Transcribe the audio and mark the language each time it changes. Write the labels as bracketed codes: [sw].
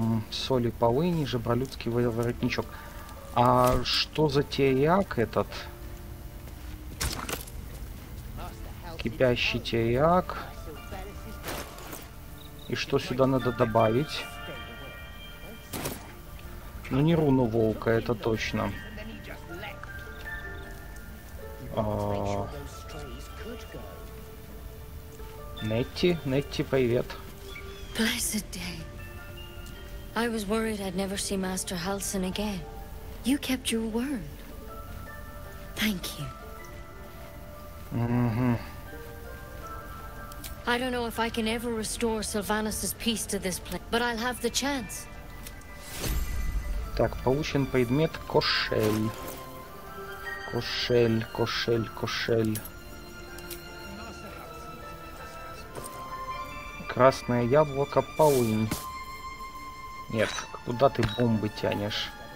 [ru] Соли полыни, жабролюдский воротничок. А что за теряк этот? Кипящий теряк. И что сюда надо добавить? Ну не руну волка, это точно. Netty, Netty, привет. [en] Blessed day. I was worried I'd never see Master Halsin again. You kept your word. Thank you. Mm-hmm. I don't know if I can ever restore Sylvanus's peace to this place, but I'll have the chance. [ru] Так, получен предмет кошель. Кошель, кошель, кошель. Красное яблоко, полынь. Нет, куда ты бомбы тянешь?